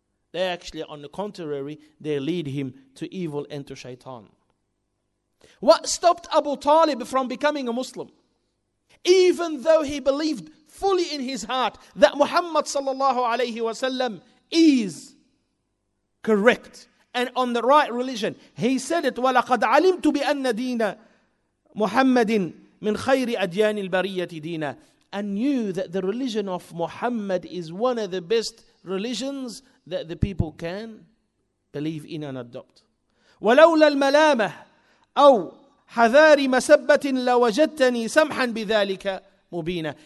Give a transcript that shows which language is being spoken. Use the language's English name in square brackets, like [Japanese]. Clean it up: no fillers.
[English] They actually, on the contrary, they lead him to evil and to shaitan. What stopped Abu Talib from becoming a Muslim? Even though he believed fully in his heart that Muhammad sallallahu alayhi wa sallam is correct and on the right religion. He said it, [Arabic] وَلَقَدْ عَلِمْتُ بِأَنَّ دِينَ مُحَمَّدٍ مِنْ خَيْرِ أَدْيَانِ الْبَرِيَّةِ دِينَ. [English] I knew that the religion of Muhammad is one of the best religions that the people can believe in and adopt. [Arabic] وَلَوْلَا الْمَلَامَةِ أَوْ حَذَارِ مَسَبَّةٍ لَوَجَدْتَنِي سَمْحًا بِذَلِكَ مُبِينًا.